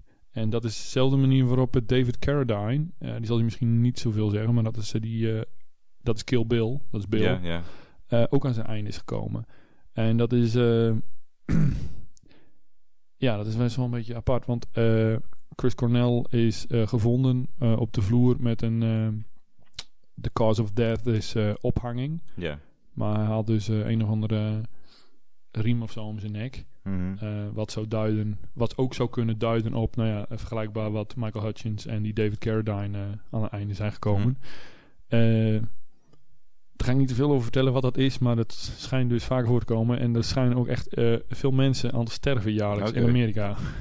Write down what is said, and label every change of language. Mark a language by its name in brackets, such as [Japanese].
[Dutch] En dat is dezelfde manier waarop David Carradine... die zal je misschien niet zoveel zeggen, maar dat is dat is Kill Bill. Dat is Bill. Ja, ja. Ook aan zijn einde is gekomen. En dat is... dat is best wel een beetje apart. Want Chris Cornell is gevonden op de vloer met een... [English] The cause of death is [Dutch] ophanging. Ja. Yeah. Maar hij had dus een of andere riem of zo om zijn nek. Mm-hmm. Wat ook zou kunnen duiden op, vergelijkbaar wat Michael Hutchins en die David Carradine aan het einde zijn gekomen. Daar ga ik niet te veel over vertellen wat dat is, maar dat schijnt dus vaak voor te komen. En er schijnen ook echt veel mensen aan te sterven jaarlijks in Amerika.